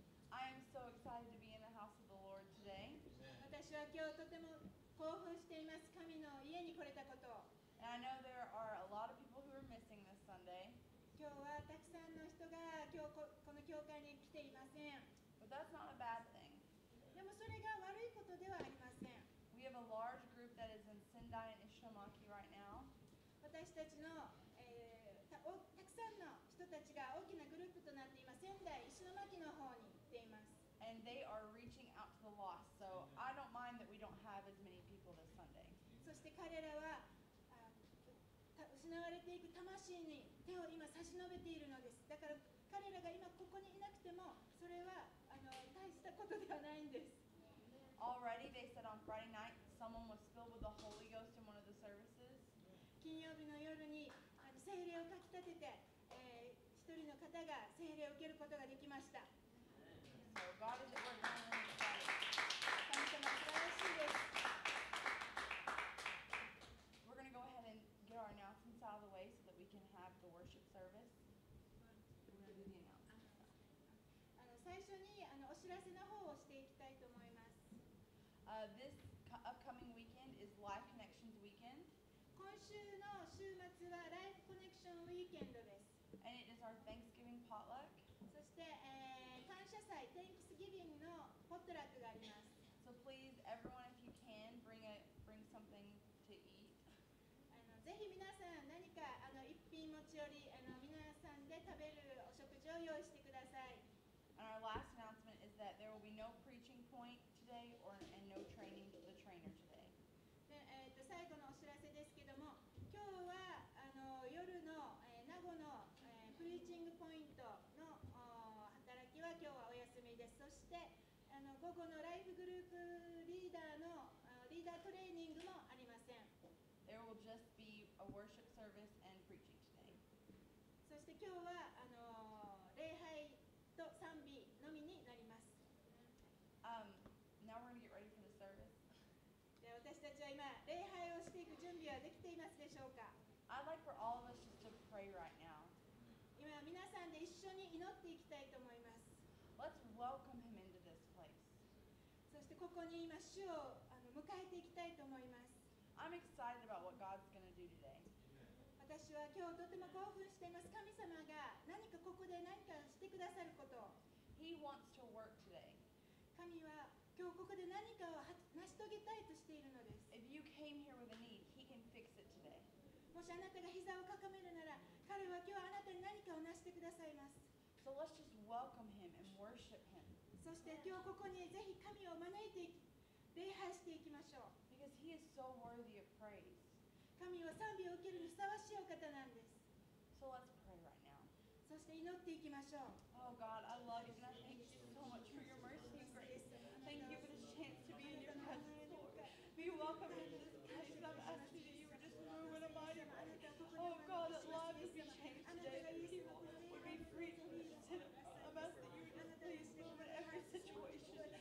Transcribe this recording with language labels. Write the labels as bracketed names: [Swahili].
[English] I am so excited to be in the house of the Lord today. [Japanese] 私は今日とても興奮しています、神の家に来れたことを。 [English] And I know there are a lot of people who are missing this Sunday. [Japanese] 今日はたくさんの人が今日この教会に来ていません。 [English] But that's not a bad thing. [Japanese] でもそれが悪いことではありません。 [English] We have a large group that is in Sendai and Ishinomaki right now. [Japanese] 私たちの、たくさんの人たちが大きなグループとなっています。仙台、石巻の方に行っています。 [English] And they are reaching out to the lost, so I don't mind that we don't have as many people this Sunday. [Japanese] そして彼らは、失われていく魂に手を今差し伸べているのです。だから彼らが今ここにいなくても、それは大したことではないんです。 [English] Already, they said on Friday night, someone was filled with the Holy Ghost in one of the services. [Japanese] 金曜日の夜に聖霊をかきたてて、一人の方が聖霊を受けることができました。 [English] So God is working on the inside. [Japanese] 神様、素晴らしいです。 [English] We're going to go ahead and get our announcements out of the way so that we can have the worship service. We're going to do the announcements. [Japanese] 最初にお知らせの方をしていきたいと思います。 [English] This upcoming weekend is Life Connections Weekend. [Japanese] 今週の週末は Life Connection Weekend です。 [English] And it is our Thanksgiving potluck. [Japanese] そして、感謝祭、Thanksgiving のポットラックがあります。 [English] So please, everyone, if you can, bring something to eat. [Japanese] ぜひ皆さん、何か一品持ち寄り、皆さんで食べるお食事を用意してください。 [English] And our last announcement is that there will be no preaching point today and no training to the trainer today. [Japanese] 最後のお知らせですけども、今日は夜の名護のプリーチングポイントの働きは今日はお休みです。そして午後のライフグループリーダーのリーダートレーニングもありません。 [English] There will just be a worship service and preaching today. [Japanese] そして今日は礼拝と賛美のみになります。 [English] Now we're going to get ready for the service. [Japanese] 私たちは今礼拝をしていく準備はできていますでしょうか。 [English] I'd like for all of us just to pray right now. [Japanese] 今皆さんで一緒に祈っていきたいと思います。 [English] Let's welcome him into this place. [Japanese] そしてここに今主を迎えていきたいと思います。 [English] I'm excited about what God's going to do today. [Japanese] 私は今日とても興奮しています。神様が何かここで何かしてくださること。 [English] He wants to work today. [Japanese] 神は今日ここで何かを成し遂げたいとしているのです。 [English] If you came here with a need, he can fix it today. [Japanese] もしあなたが膝をかかめるなら、彼は今日あなたに何かを成してくださいます。 [English] So let's just welcome him and worship him. [Japanese] そして今日ここにぜひ神を招いて礼拝していきましょう。 [English] Because he is so worthy of praise. [Japanese] 神は賛美を受けるにふさわしいお方なんです。 [English] So let's pray right now. [Japanese] そして祈っていきましょう。 [English] Oh God, I love you and I thank you so much for your mercy and grace. Thank you for this chance to be in your presence, Lord. Be welcome into this place. I'm asking that you would just move in a mighty way. Oh God, that lives be changed today. That people would be freed from this sin. I'm asking that you would just please move in every situation.